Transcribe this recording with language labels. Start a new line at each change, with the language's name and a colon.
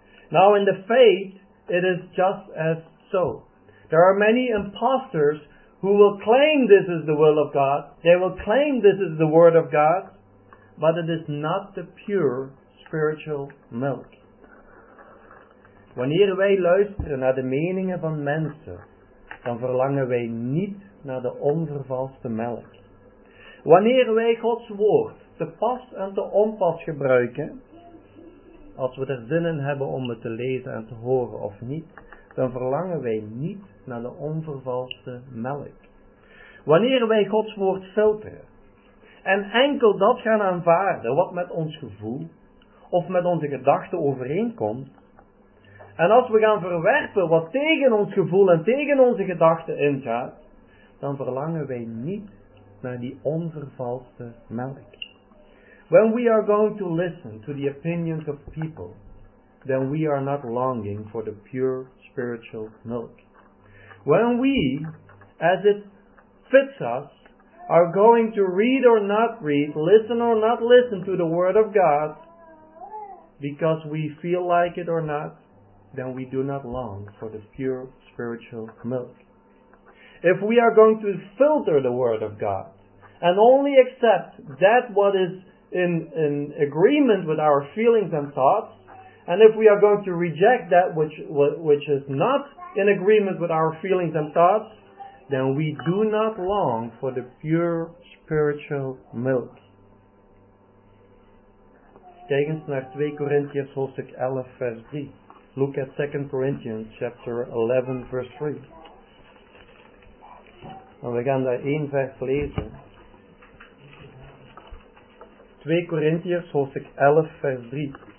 English: Now in the faith, it is just as so. There are many imposters who will claim this is the will of God. They will claim this is the word of God. But it is not the pure spiritual milk.
Dutch: Wanneer wij luisteren naar de meningen van mensen, dan verlangen wij niet naar de onvervalste melk. Wanneer wij Gods woord te pas en te onpas gebruiken, als we er zin in hebben om het te lezen en te horen of niet, dan verlangen wij niet naar de onvervalste melk. Wanneer wij Gods woord filteren en enkel dat gaan aanvaarden wat met ons gevoel of met onze gedachten overeenkomt, en als we gaan verwerpen wat tegen ons gevoel en tegen onze gedachten ingaat, dan verlangen wij niet naar die onvervalste melk.
English: When we are going to listen to the opinions of people, then we are not longing for the pure spiritual milk. when we, as it fits us, are going to read or not read, listen or not listen to the Word of God, because we feel like it or not, then we do not long for the pure spiritual milk. If we are going to filter the Word of God and only accept that what is in agreement with our feelings and thoughts, and if we are going to reject that which is not in agreement with our feelings and thoughts, then we do not long for the pure spiritual milk.
Dutch: Kijk eens naar 2 Corinthians hoofdstuk 11 vers 3.
English: Look at 2 Corinthians chapter 11 verse 3.
Dutch: En we gaan daar één vers lezen. 2 Corinthians hoofdstuk 11 vers 3.